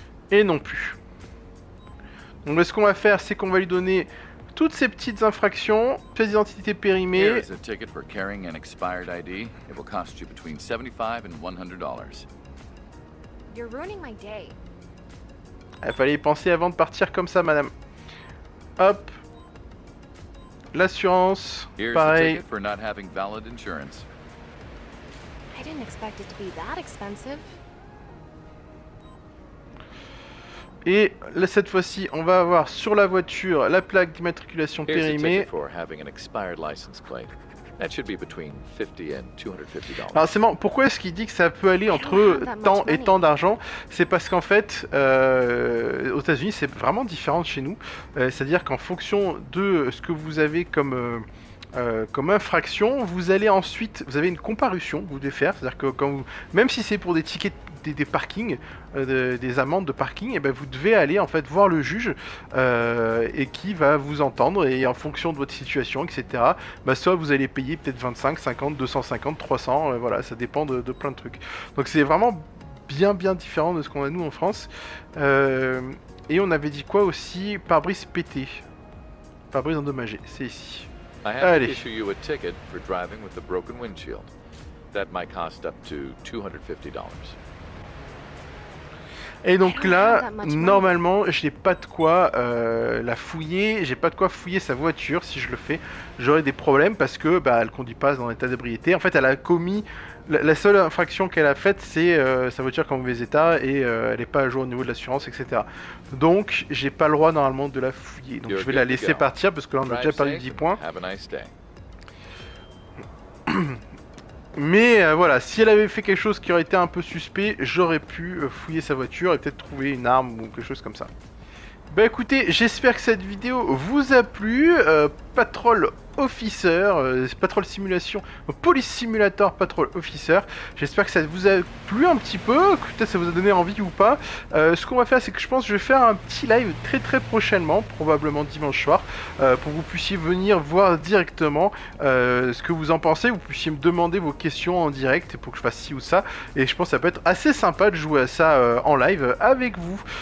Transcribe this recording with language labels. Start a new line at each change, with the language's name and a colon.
French: Et non plus. Donc ce qu'on va faire, c'est qu'on va lui donner toutes ces petites infractions, pièce d'identité périmée.
English: Here is a ticket for carrying an expired ID. It will cost you between $75 and $100. You're ruining my day.
French: Il fallait y penser avant de partir comme ça, madame. Hop. L'assurance, pareil.
English: Here's a ticket for not having valid insurance. I didn't expect it to be that expensive.
French: Et là, cette fois-ci, on va avoir sur la voiture la plaque d'immatriculation périmée.
English: Here's a ticket for having an expired license plate. That should be between $50 and $250.
French: Alors c'est marrant, pourquoi est-ce qu'il dit que ça peut aller entre tant et tant d'argent? C'est parce qu'en fait, aux États-Unis, c'est vraiment différent de chez nous. C'est-à-dire qu'en fonction de ce que vous avez comme, comme infraction, vous allez ensuite, vous avez une comparution que vous devez faire. C'est-à-dire que quand vous, même si c'est pour des tickets, des parkings, des amendes de parking, et ben vous devez aller en fait voir le juge et qui va vous entendre, et en fonction de votre situation, etc. Ben soit vous allez payer peut-être 25, 50, 250, 300, voilà, ça dépend de plein de trucs. Donc c'est vraiment bien bien différent de ce qu'on a nous en France. Et on avait dit quoi aussi? Pare-brise pété, pare-brise endommagé, c'est ici. Allez.
English: I have to issue you a ticket for driving with a broken windshield. That might cost up to $250.
French: Et donc là, normalement, j'ai pas de quoi la fouiller, j'ai pas de quoi fouiller sa voiture si je le fais. J'aurai des problèmes parce que bah, elle conduit pas dans l'état d'ébriété. En fait, elle a commis, la seule infraction qu'elle a faite, c'est sa voiture qui est en mauvais état et elle est pas à jour au niveau de l'assurance, etc. Donc, j'ai pas le droit normalement de la fouiller. Donc, je vais la laisser partir parce que là, on a déjà perdu 10 points. Mais voilà, si elle avait fait quelque chose qui aurait été un peu suspect, j'aurais pu fouiller sa voiture et peut-être trouver une arme ou quelque chose comme ça. Bah écoutez, j'espère que cette vidéo vous a plu.
English: Patrol Officer, Patrol Simulation, Police Simulator Patrol Officer.
French: J'espère que ça vous a plu un petit peu, que peut-être ça vous a donné envie ou pas. Ce qu'on va faire, c'est que je pense que je vais faire un petit live très très prochainement, probablement dimanche soir, pour que vous puissiez venir voir directement ce que vous en pensez, vous puissiez me demander vos questions en direct pour que je fasse ci ou ça, et je pense que ça peut être assez sympa de jouer à ça en live avec vous.